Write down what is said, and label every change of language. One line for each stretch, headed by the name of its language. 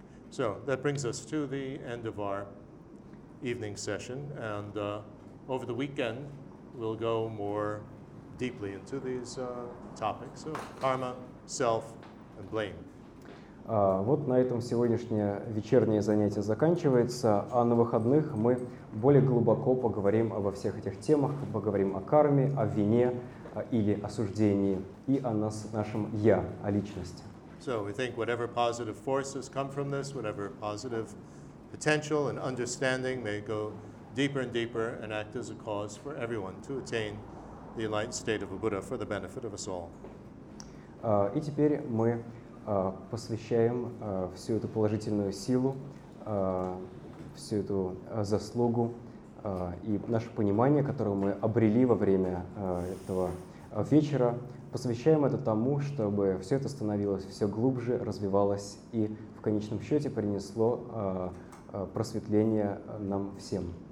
English: So that brings us to the end of our evening session, and over the weekend we'll go more deeply into these topics of karma, self and blame.
Russian: Вот на этом сегодняшнее вечернее занятие заканчивается, а на выходных мы более глубоко поговорим обо всех этих темах, поговорим о карме, о вине или осуждении и о нас, нашем я, о личности.
English: So we think whatever positive forces come from this, whatever positive potential and understanding may go deeper and deeper and act as a cause for everyone to attain the enlightened state of a Buddha for the benefit of us all.
Russian: И теперь мы посвящаем всю эту положительную силу, всю эту заслугу и наше понимание, которое мы обрели во время этого вечера, посвящаем это тому, чтобы все это становилось все глубже, развивалось и в конечном счете принесло просветление нам всем.